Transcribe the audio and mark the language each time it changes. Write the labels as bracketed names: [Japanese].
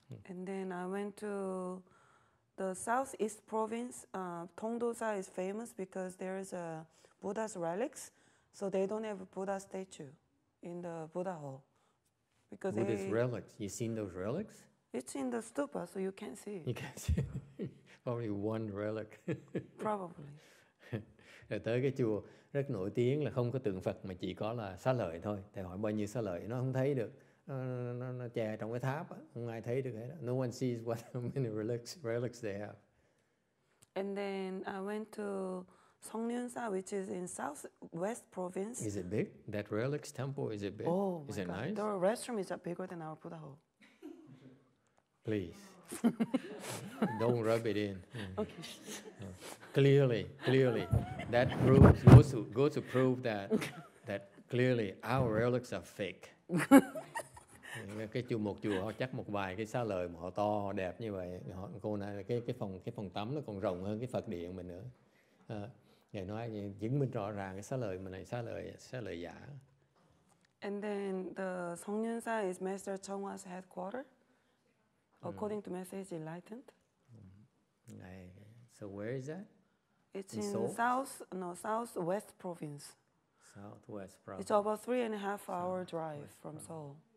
[English] And then I went to the southeast province. Tongdosa is famous because there is a Buddha's relics. So they don't have a Buddha statue in the Buddha hall. Because Buddha's relics. You seen those relics? It's in the stupa, so you can't see. You can't see. Probably one relic. Probably. [Vietnamese] Rồi tới cái chùa rất nổi tiếng là không có tượng Phật mà chỉ có là xá lợi thôi. Thầy hỏi bao nhiêu xá lợi, nó không thấy được. Nó che trong cái tháp, không ai thấy được hết. [English] No one sees what many relics they have. And then I went to Songnyunsa, which is in southwest province. Is it big? That relics temple, is it big? Oh, is it God. Nice? The restroom is bigger than our Buddha hall. Please. Don't rub it in. Okay. Clearly. That proves goes to prove that clearly our relics are fake. [Vietnamese] Cái chùa một chùa họ chắc một vài cái xá lợi mà họ to họ đẹp như vậy. Họ cô này cái phòng tắm nó còn rộng hơn cái Phật điện mình nữa. Ngài nói chứng minh rõ ràng cái xá lợi mình này xá lợi giả. [English] And then the Songnyunsa is Master Chonghua's headquarter. According to message, enlightened. Mm-hmm. So where is that? It's in southwest province. Southwest province. It's about 3.5 hour drive from Seoul.